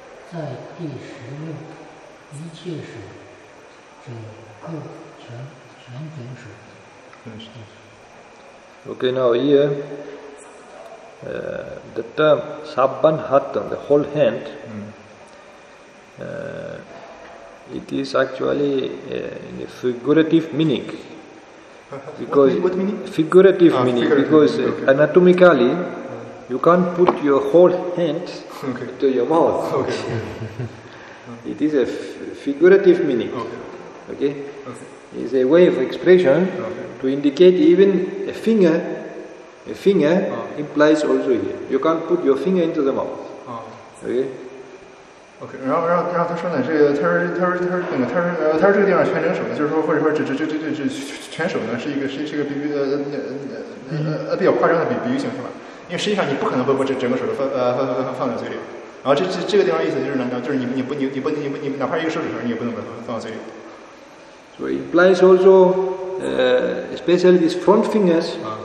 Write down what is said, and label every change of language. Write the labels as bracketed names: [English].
[Chinese] 在第16，一切时，整个全整时。真是。 [English] Okay, now here, the term sabbanhatta, the whole hand, it is actually in a figurative meaning. What meaning? Figurative meaning, because anatomically, you can't put your whole hand into your mouth. Okay. It is a figurative meaning. Okay. It's a way of expression to indicate even a finger. A finger implies also here. You can't put your finger into the mouth. Okay. [Chinese] 然后他说呢，这个他说这个地方全整手呢，就是说或者说这全手呢是一个比较夸张的比喻形式吧。因为实际上你不可能把整个手都放在嘴里。然后这个地方意思就是难道就是你哪怕一个手指头你也不能把它放在嘴里。 [English] So it implies also, especially these front fingers.